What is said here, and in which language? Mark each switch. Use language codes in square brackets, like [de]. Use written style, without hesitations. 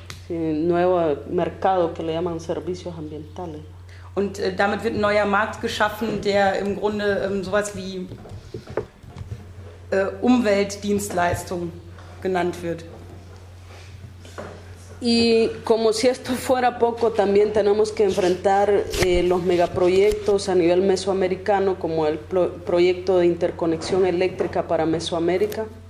[es] Sí, nuevo mercado que le llaman servicios ambientales. [de] Und damit wird ein neuer Markt geschaffen, der im Grunde sowas wie Umweltdienstleistung genannt wird. [es] Y como si esto fuera poco, también tenemos que enfrentar los megaproyectos a nivel mesoamericano, como el proyecto de interconexión eléctrica para Mesoamérica.